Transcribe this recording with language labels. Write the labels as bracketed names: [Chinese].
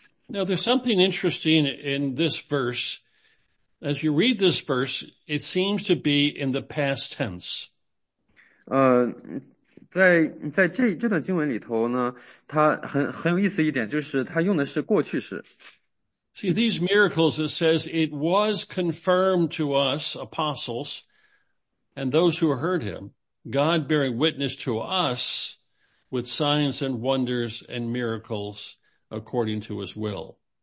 [English] Now, there's something interesting in this verse. As you read this verse, it seems to be in the past tense. [Chinese] 在这段经文里头呢，它很有意思一点，就是它用的是过去式。 [English] See, these miracles, it says, it was confirmed to us, apostles, and those who heard him, God bearing witness to us with signs and wonders and miracles according to his will.